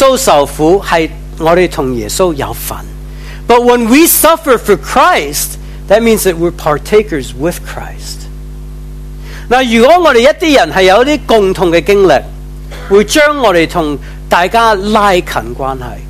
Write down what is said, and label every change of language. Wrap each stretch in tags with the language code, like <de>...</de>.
<zh>当我们为耶稣受苦，是我们和耶稣有份。</zh> <en>But when we suffer for Christ, that means that we're partakers with Christ.</en> <zh>那如果我们一些人是有一些共同的经历， 会将我们和大家拉近关系。</zh>